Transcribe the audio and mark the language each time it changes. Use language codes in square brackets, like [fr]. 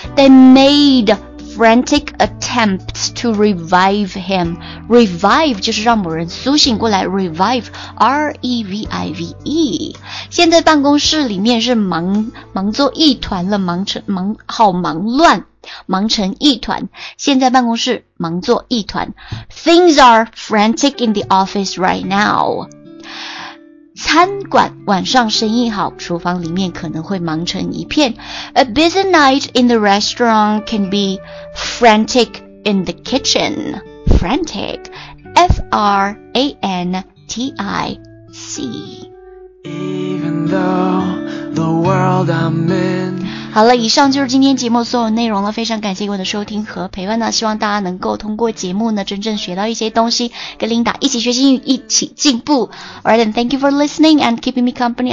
[en] They made frantic attempts to revive him. [zh] Revive 就是让某人苏醒过来， revive, R-E-V-I-V-E。现在办公室里面是忙作一团了，忙成一团。现在办公室忙作一团。 [en] Things are frantic in the office right now. [zh] 餐馆晚上生意好，厨房里面可能会忙成一片。 [en] A busy night in the restaurant can be frantic in the kitchen. Frantic, F-R-A-N-T-I-C. Even though the world I'm in。 [zh] 好了，以上就是今天节目所有内容了，非常感谢各位的收听和陪伴呢，希望大家能够通过节目呢真正学到一些东西，跟 Linda 一起学习英语，一起进步。 [en] Alright then, thank you for listening and keeping me company.